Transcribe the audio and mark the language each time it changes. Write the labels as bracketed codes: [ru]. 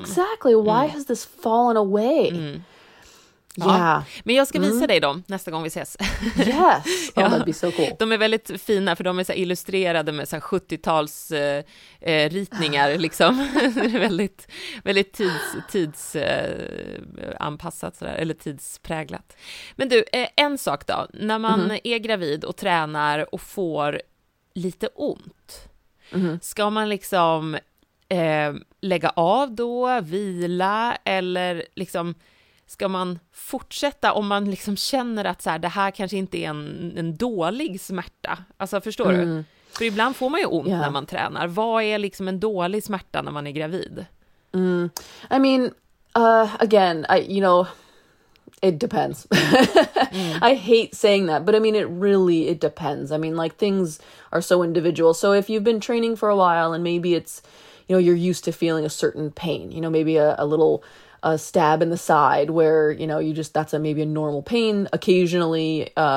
[en] Exactly, why has this fallen away? Mm. Ja. Yeah. [sv] Men jag ska visa dig dem nästa gång vi ses. [en] Yes. Oh, that'd be so cool. [sv] De är väldigt fina, för de är så illustrerade med så 70-tals ritningar liksom. Det är väldigt väldigt tidsanpassat så där, eller tidspräglat. Men du, en sak då, när man är gravid och tränar och får lite ont. Mm-hmm. Ska man liksom lägga av då, vila, eller liksom ska man fortsätta om man liksom känner att så här, det här kanske inte är en dålig smärta? Alltså, förstår du? För ibland får man ju ont när man tränar. Vad är liksom en dålig smärta när man är gravid? [en] I mean, again, you know, it depends. I hate saying that, but I mean, it really depends. I mean, like, things are so individual. So if you've been training for a while and maybe it's, you know, you're used to feeling a certain pain, you know, maybe a little stab in the side where, you know, you just, that's maybe a normal pain occasionally,